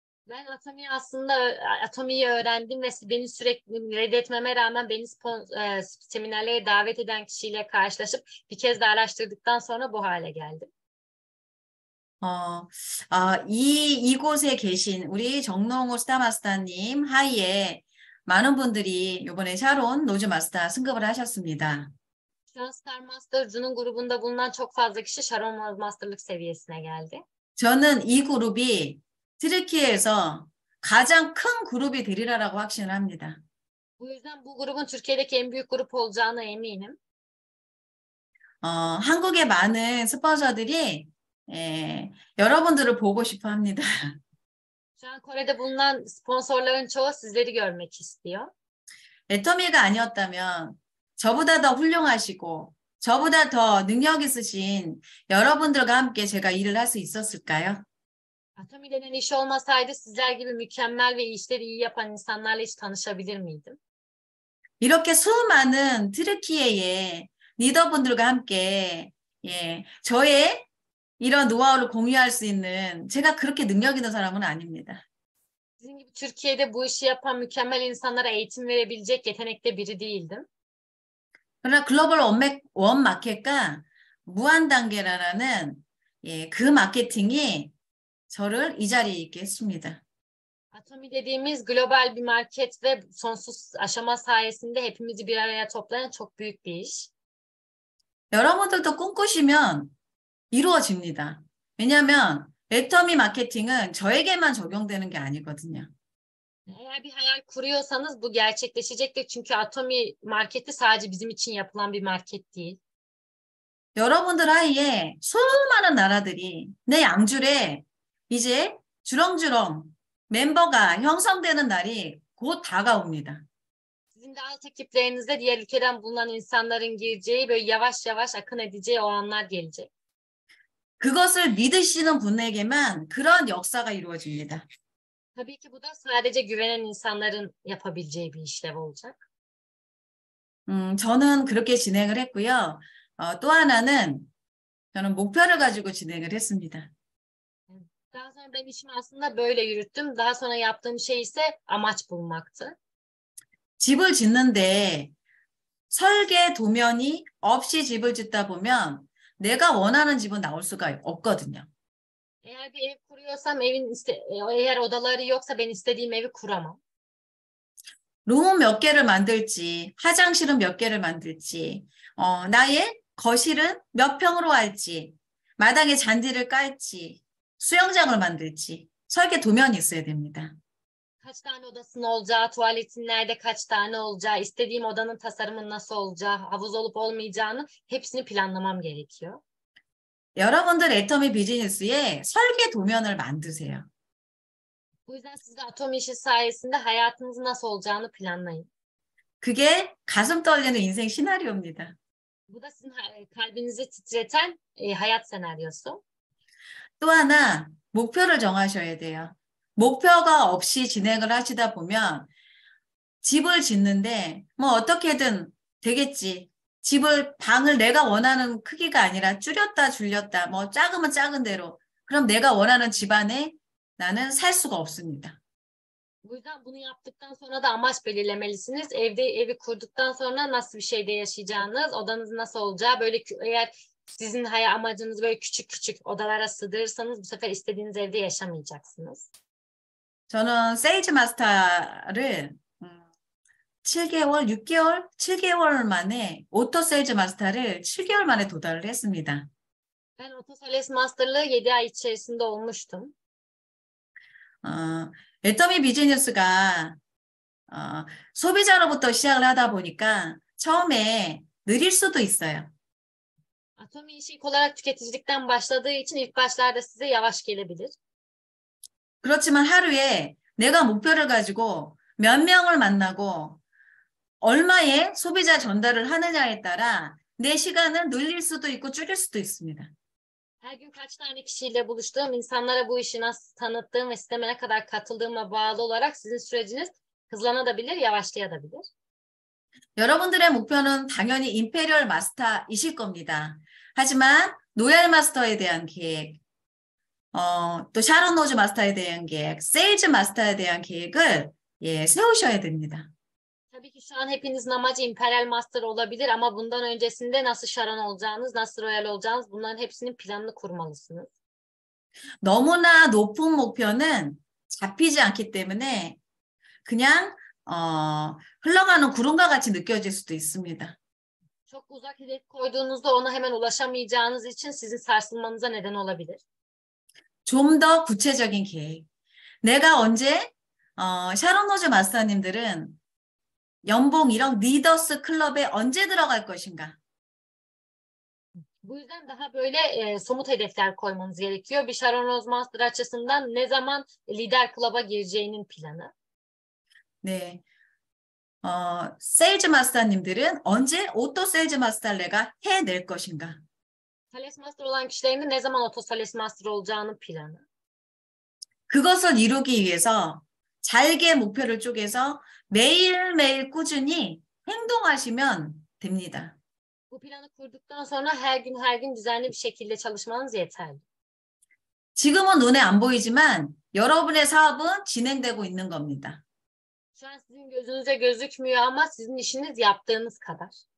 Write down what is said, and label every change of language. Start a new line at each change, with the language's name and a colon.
Turkish: Ben atomiyi öğrendim ve beni sürekli reddetmeme rağmen beni seminerlere davet eden kişiyle karşılaşıp bir kez daha araştırdıktan sonra bu hale geldim.
Korean: 이곳에 계신 우리 정농호 스타마스터님 하에 많은 분들이 이번에 샤론 로즈 마스터 승급을 하셨습니다.
Turkish: 스타 마스터즈'nun grubunda bulunan çok fazla kişi Sharon Master'lık seviyesine geldi.
Korean: 저는 이 그룹이 트리키에서 가장 큰 그룹이 되리라라고 확신을 합니다.
Turkish: Bu yüzden bu grubun Türkiye'deki en büyük grup olacağına eminim.
Korean: 한국의 많은 스폰서들이 여러분들을 보고 싶어 합니다.
Turkish: Şu an Kore'de bulunan sponsorların çoğu sizleri görmek istiyor.
Korean: 애터미가 아니었다면 저보다 더 훌륭하시고 저보다 더 능력 있으신 여러분들과 함께 제가 일을 할수 있었을까요?
Turkish: Atomi denen iş olmasaydı sizler gibi mükemmel ve işleri iyi yapan insanlarla hiç tanışabilir miydim?
Korean: 이렇게 수많은 트르키예의 리더분들과 함께 저의 이런 노하우를 공유할 수 있는 제가 그렇게 능력 있는 사람은 아닙니다.
Turkish: Sizin gibi Türkiye'de bu işi yapan mükemmel insanlara eğitim verebilecek yetenekte biri değildim.
Korean: 그러나 글로벌 원 마켓과 무한 단계라는 그 마케팅이 저를 이 자리에 있게 했습니다.
Turkish: Atomi dediğimiz global bir market ve sonsuz aşama sayesinde hepimizi bir araya toplayan çok büyük bir iş.
Korean: 여러분들도 꿈꾸시면 이루어집니다. 왜냐하면 애터미 마케팅은 저에게만 적용되는 게 아니거든요.
Turkish: Eğer bir hayal kuruyorsanız bu gerçekleşecektir. Çünkü Atomi marketi sadece bizim için yapılan bir market değil.
Korean: 여러분들 하에 수많은 나라들이 내 양줄에 이제 주렁주렁 멤버가 형성되는 날이 곧 다가옵니다.
Turkish: Sizin de alt ekiplerinizde diğer ülkeden bulunan insanların gireceği, böyle yavaş yavaş akın edeceği o anlar gelecek.
Korean: 그것을 믿으시는 분에게만 그런 역사가 이루어집니다.
Turkish: Tabii ki bu da sadece güvenen insanların yapabileceği bir işlev olacak.
Korean: 저는 그렇게 진행을 했고요. 또 하나는 저는 목표를 가지고 진행을 했습니다.
Turkish: Daha sonra ben işimi aslında böyle yürüttüm. Daha sonra yaptığım şey ise amaç bulmaktı.
Korean: 집을 짓는데 설계 도면이 없이 집을 짓다 보면 내가 원하는 집은 나올 수가 없거든요.
Turkish: Eğer bir ev kuruyorsam eğer odaları yoksa ben istediğim evi kuramam.
Korean: 룸몇 개를 만들지, 화장실은 몇 개를 만들지, 나의 거실은 몇 평으로 할지, 마당에 잔디를 깔지, 수영장을 만들지, 설계 도면이 있어야 됩니다.
Turkish: Kaç tane odasının olacağı, tuvaletin nerede kaç tane olacağı, istediğim odanın tasarımın nasıl olacağı, havuz olup olmayacağını hepsini planlamam gerekiyor.
Korean: 여러분들 애터미 비즈니스에 설계 도면을 만드세요. 뭐 이제
Turkish: size atom işi sayesinde hayatınızı nasıl olacağını planlayın.
Korean: 그게 가슴 떨리는 인생 시나리오입니다. 뭐다
Turkish: sizin kalbinizi titreten hayat senaryosu.
Korean: 또 하나 목표를 정하셔야 돼요. 목표가 없이 진행을 하시다 보면 집을 짓는데 뭐 어떻게든 되겠지. 집을, 방을 내가 원하는 크기가 아니라 줄였다, 줄였다, 뭐 작으면 작은 대로. 그럼 내가 원하는 집안에 나는 살 수가 없습니다.
Turkish: Bu yüzden bunu yaptıktan sonra da amaç belirlemelisiniz. Evi kurduktan sonra nasıl bir şeyde yaşayacağınız, odanız nasıl olacağı, böyle eğer sizin hayal amacınız böyle küçük küçük odalara sığdırırsanız bu sefer istediğiniz evde yaşamayacaksınız.
Korean: 저는 세이지 마스터를 7개월, 6개월, 7개월 만에 오토 세일즈 마스터를 7개월 만에 도달을 했습니다.
Turkish: Ben Otosales Master'lığı 7 ay içerisinde olmuştum.
Korean: 애터미 비즈니스가 소비자로부터 시작을 하다 보니까 처음에 느릴 수도 있어요.
Turkish: Atom inşik olarak tüketicilikten başladığı için ilk başlarda size yavaş gelebilir.
Korean: 그렇지만 하루에 내가 목표를 가지고 몇 명을 만나고 얼마의 소비자 전달을 하느냐에 따라 내 시간을 늘릴 수도 있고 줄일 수도 있습니다.
Turkish: Her gün kaç tane kişiyle buluştuğum, insanlara bu işi nasıl tanıttığım ve sisteme ne kadar katıldığıma bağlı olarak sizin süreciniz hızlanabilir, yavaşlayabilir.
Korean: 여러분들의 목표는 당연히 임페리얼 마스터이실 겁니다. 하지만 로얄 마스터에 대한 계획, 또 샤론 로즈 마스터에 대한 계획, 세일즈 마스터에 대한 계획을 세우셔야 됩니다.
Turkish: Tabii ki şu an hepinizin amacı İmperial Master olabilir ama bundan öncesinde nasıl Sharon olacağınız, nasıl Royal olacağınız bunların hepsinin planını kurmalısınız.
Korean: 너무나 높은 목표는 잡히지 않기 때문에 그냥 흘러가는 구름과 같이 느껴질 수도 있습니다.
Turkish: Çok uzak hedef koyduğunuzda ona hemen ulaşamayacağınız için sizi sarsılmanıza neden olabilir.
Korean: 좀더 구체적인 계획. 내가 언제 샤론 로즈 마스터님들은 연봉 1억 리더스 클럽에 언제 들어갈 것인가?
Turkish: Bu yüzden daha böyle somut hedefler koymanız gerekiyor. Bir Sharon Rose Master açısından ne zaman lider kluba gireceğinin planı.
Korean: 네. 세일즈 마스터님들은 언제 오토 세일즈 마스터를 내가 해낼 것인가?
Turkish: Sales Master olan kişilerin de ne zaman Auto Sales Master olacağının planı.
Korean: 그것을 이루기 위해서 잘게 목표를 쪼개서 매일매일 꾸준히 행동하시면 됩니다.
Turkish: 뭐 planı kurduktan sonra her gün her gün düzenli bir şekilde çalışmanız yeterli.
Korean: 지금은 눈에 안 보이지만 여러분의 사업은 진행되고 있는 겁니다.
Turkish: Şu an sizin gözünüze gözükmüyor ama sizin işiniz yaptığınız kadar.